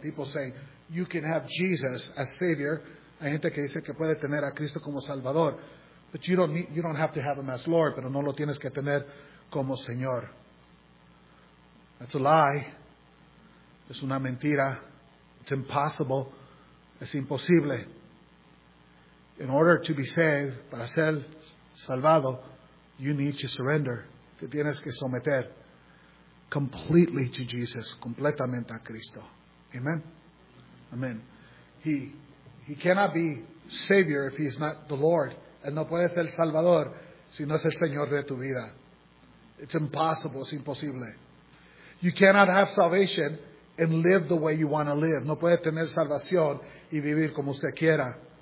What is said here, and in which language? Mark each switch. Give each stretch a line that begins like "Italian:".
English: People say you can have Jesus as Savior.
Spanish: Hay gente que dice que puede tener a Cristo como Salvador,
English: but you don't have to have him as Lord.
Spanish: Pero no lo tienes que tener como Señor.
English: That's a lie.
Spanish: Es una mentira.
English: It's impossible.
Spanish: Es imposible.
English: In order to be saved,
Spanish: para ser salvado,
English: you need to surrender.
Spanish: Te tienes que someter
English: completely to Jesus,
Spanish: completamente a Cristo. Amen? Amen.
English: He cannot be Savior if he's not the Lord.
Spanish: Él no puede ser Salvador si no es el Señor de tu vida.
English: It's impossible.
Spanish: Es imposible.
English: You cannot have salvation and live the way you want to live.
Spanish: No puede tener salvación y vivir como usted quiera.